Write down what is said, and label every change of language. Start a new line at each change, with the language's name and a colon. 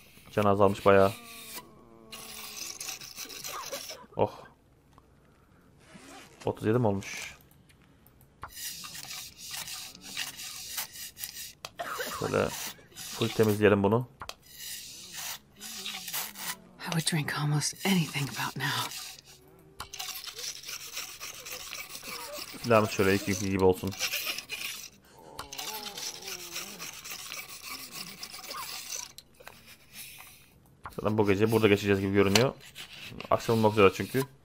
Turkish: Canı azalmış bayağı. Oh. 37 mi olmuş? Şöyle full temizleyelim bunu.
English: I would drink almost anything about now.
Turkish: Silahımız şöyle iki gibi olsun. Zaten bu gece burada geçeceğiz gibi görünüyor. Akşam olmak üzere çünkü.